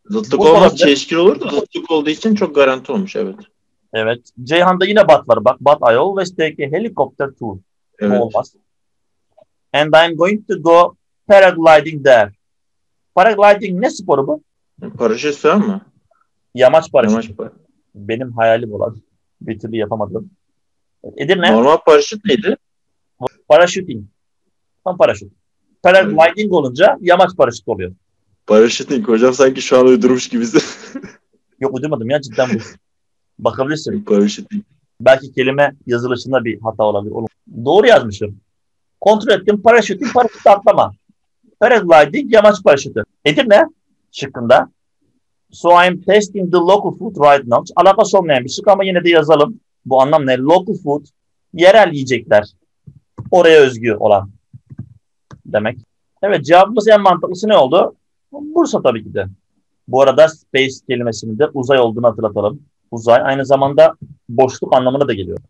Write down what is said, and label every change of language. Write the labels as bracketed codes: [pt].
[tr] Zıtlık olmaz, çelişkili olur da zıtlık olduğu için çok garanti olmuş, evet. Evet. Ceyhan'da yine but var. Bak, [en] but I always take a helicopter tour. [tr] Evet. Bu olmaz. [en] And I'm going to go paragliding there. [tr] Paragliding ne sporu bu? Paraşüt falan mı? Yamaç paraşütü. Yamaç paraşütü. Benim hayalim olan. Bir türlü yapamadım. Edirne. Normal paraşüt neydi? Paraşüting. Tam paraşüt. Paragliding evet. Olunca yamaç paraşütü oluyor. Paraşüting. Hocam sanki şu an uydurmuş gibisin. Yok, uydurmadım ya, cidden bu. Bakabilirsin. Paraşüting. Belki kelime yazılışında bir hata olabilir. Oğlum, doğru yazmışım. Kontrol ettim. Paraşüting, paraşütü atlama. Paragliding, yamaç paraşütü. Edirne şıkkında. [en] So I'm testing the local food right now. [tr] Alakası olmayan bir şık ama yine de yazalım. Bu anlam ne? Local food, yerel yiyecekler. Oraya özgü olan demek. Evet, cevabımız en mantıklısı ne oldu? Bursa tabii ki de. Bu arada space kelimesinin de uzay olduğunu hatırlatalım. Uzay aynı zamanda boşluk anlamına da geliyor.